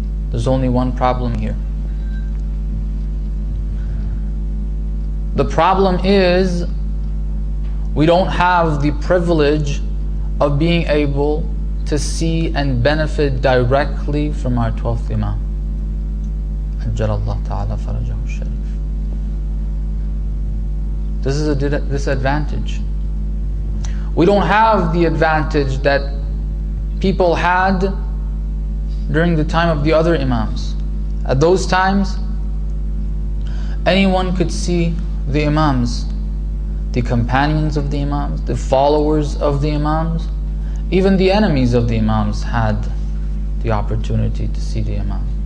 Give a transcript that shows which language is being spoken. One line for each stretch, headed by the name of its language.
English: There's only one problem here. The problem is, we don't have the privilege of being able to see and benefit directly from our 12th Imam.
Arabic: أجل الله تعالى فرجه الشريف.
English: This is a disadvantage. We don't have the advantage that people had during the time of the other Imams. At those times, anyone could see the Imams, the companions of the Imams, the followers of the Imams, even the enemies of the Imams had the opportunity to see the Imam.